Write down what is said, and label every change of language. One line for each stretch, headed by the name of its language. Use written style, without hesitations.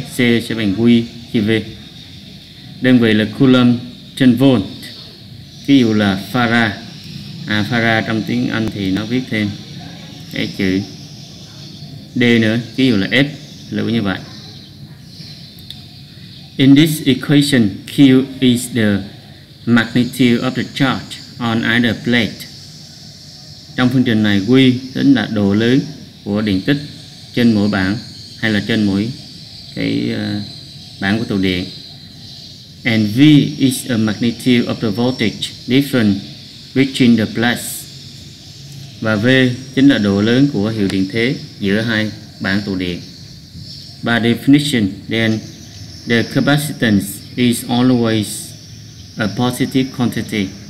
Vietnamese: C sẽ bằng V chia V. Đơn vị là coulomb trên volt, ví dụ là farad. À, farad trong tiếng Anh thì nó viết thêm cái chữ D nữa, ví dụ là F, lưu như vậy.
English: In this equation, Q is the magnitude of the charge on either plate.
Vietnamese: Trong phương trình này, V tính là độ lớn của điện tích trên mỗi bảng hay là trên mỗi cái bảng của tụ điện.
English: And V is a magnitude of the voltage difference between the plates.
Vietnamese: Và V chính là độ lớn của hiệu điện thế giữa hai bảng tụ điện.
English: By definition, then, the capacitance is always a positive quantity.